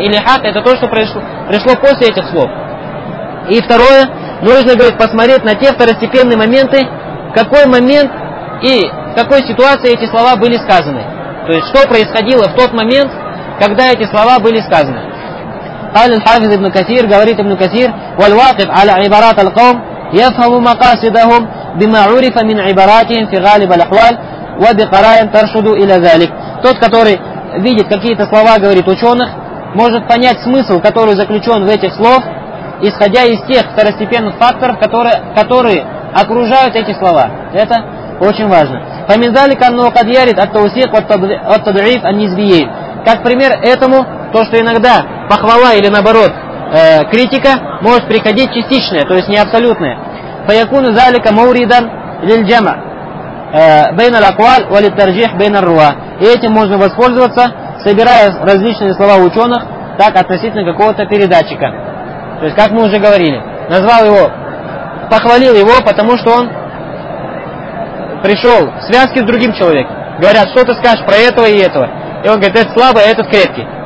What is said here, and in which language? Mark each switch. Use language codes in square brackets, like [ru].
[ru] Или хак – это то, что пришло после этих слов. И второе, нужно, говорит, посмотреть на те второстепенные моменты, в какой момент и в какой ситуации эти слова были сказаны. То есть что происходило в тот момент, когда эти слова были сказаны. [ar] قال الحافظ ابن كثير [ru] говорит [ar] ابن كثير والواقف على عبارات القوم يفهم مقاصدهم بما عرف من عباراتهم في غالب الأحوال وبقرائن ترشد إلى ذلك. [ru] Тот, который видит какие-то слова, говорит, ученых, может понять смысл, который заключен в этих слов, исходя из тех второстепенных факторов, которые окружают эти слова. Это очень важно. [ar] فمنذلك أنه قد يرد التوثيق والتضعيف النسبيين. [ru] Как пример этому, то, что иногда похвала или наоборот критика может приходить частичная, то есть не абсолютная. [ar] فيكون ذلك موردا للجمع بين الأقوال وللترجيح بين الرواة. [ru] И этим можно воспользоваться, собирая различные слова ученых, так относительно какого-то передатчика. То есть, как мы уже говорили, назвал его, похвалил его, потому что он пришел в связке с другим человеком. Говорят, что ты скажешь про этого и этого. И он говорит, этот слабый, а этот крепкий.